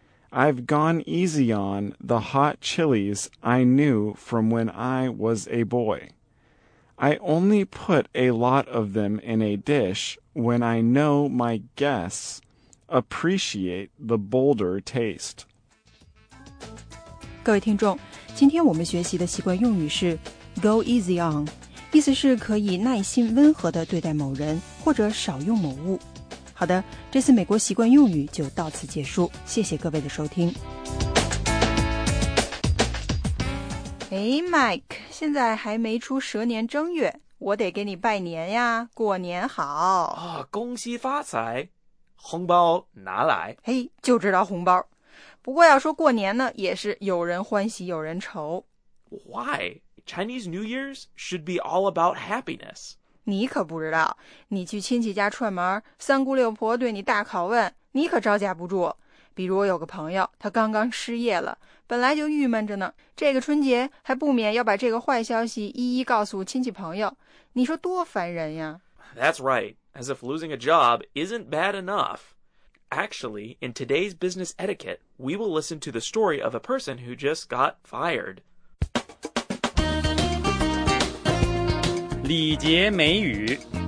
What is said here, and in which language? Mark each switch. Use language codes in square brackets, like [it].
[en] I've gone easy on the hot chilies I knew from when I was a boy. I only put a lot of them in a dish when I know my guests appreciate the bolder taste. [zh] 各位听众，今天我们学习的习惯用语是 [en] go easy on， [zh] 意思是可以耐心温和地对待某人或者少用某物。好的，这次美国习惯用语就到此结束，谢谢各位的收听。哎 ，Mike， 现在还没出蛇年正月，我得给你拜年呀，过年好啊，恭喜发财，红包拿来。嘿，就知道红包。不过要说过年呢，也是有人欢喜有人愁。 [en] Why? Chinese New Year's should be all about happiness. [zh] 你可不知道，你去亲戚家串门，三姑六婆对你大拷问，你可招架不住。比如我有个朋友，他刚刚失业了，本来就郁闷着呢，这个春节还不免要把这个坏消息一一告诉亲戚朋友，你说多烦人呀。 [en] That's right, as if losing a job isn't bad enough. Actually, in today's business etiquette, we will listen to the story of a person who just got fired. [zh] 礼节美语。